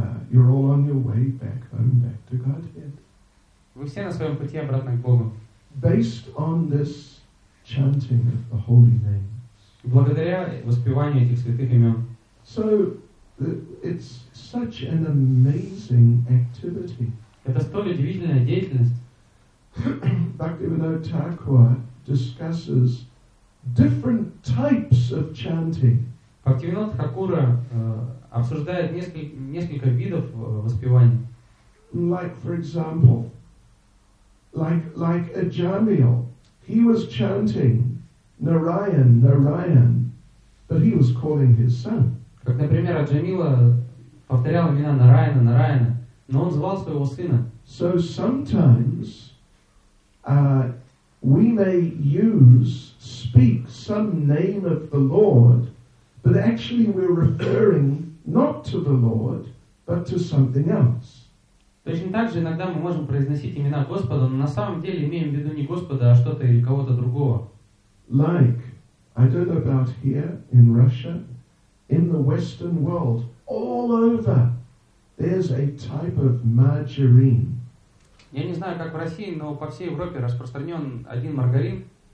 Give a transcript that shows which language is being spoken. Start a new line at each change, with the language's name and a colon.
English: You're all on your way back home, back to Godhead.
Russian: Вы все на своем пути обратно к Богу.
English: Based on this chanting of the holy names.
Russian: Благодаря воспеванию этих святых имен.
English: So, it's such an amazing activity.
Russian: Это столь удивительная деятельность.
English: Бхактивинода Тхакура discusses different types of chanting.
Russian: Бхактивинода Тхакура обсуждает несколько видов воспевания.
English: Like, for example, like Ajamil, he was chanting Narayan, Narayan, but he was calling his son.
Russian: Как, например, Аджамила повторял имена Нараяна, Нараяна, но он звал своего сына.
English: So sometimes we may use, speak some name of the Lord, but actually we're referring not to the Lord, but to something else.
Russian: Точно так же иногда мы можем произносить имена Господа, но на самом деле имеем в виду не Господа, а что-то или кого-то другого.
English: Like, I don't know about here in Russia, in the Western world, all over, there's a type of margarine.
Russian: Я не знаю, как в России, но по всей Европе распространен один маргарин.